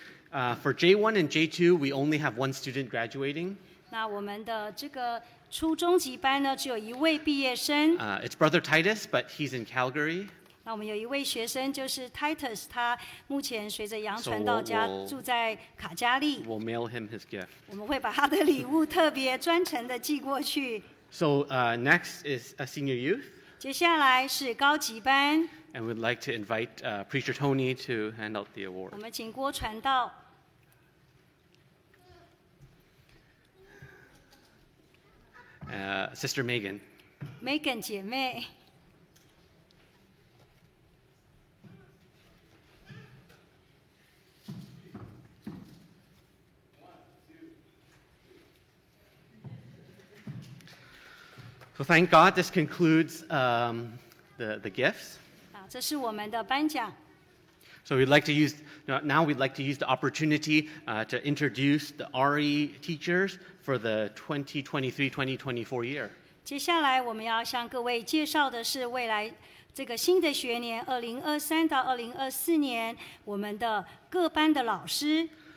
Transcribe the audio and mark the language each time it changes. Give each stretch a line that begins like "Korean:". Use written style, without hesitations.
English: For J1 and J2, we only have one student graduating.
Chinese: 那我们的这个初中级班呢，只有一位毕业生。
English: It's Brother Titus, but he's in Calgary.
Chinese: 那我们有一位学生，就是Titus，他目前随着杨传道家住在卡加利。
English: We'll mail him his gift.
Chinese: 我们会把他的礼物特别专程的寄过去。
English: So next is a senior youth.
Chinese: 接下来是高级班。
English: And we'd like to invite Preacher Tony to hand out the award.
Chinese: 我们请郭传道。
English: Sister Megan.
Chinese: Megan姐妹.
English: So thank God this concludes the gifts.
Chinese: 这是我们的颁奖。
English: So we'd like to use now we'd like to use the opportunity to introduce the RE teachers for the 2023-2024 year.
Chinese: 接下来我们要向各位介绍的是未来这个新的学年 2023到2024年 我们的各班的老师。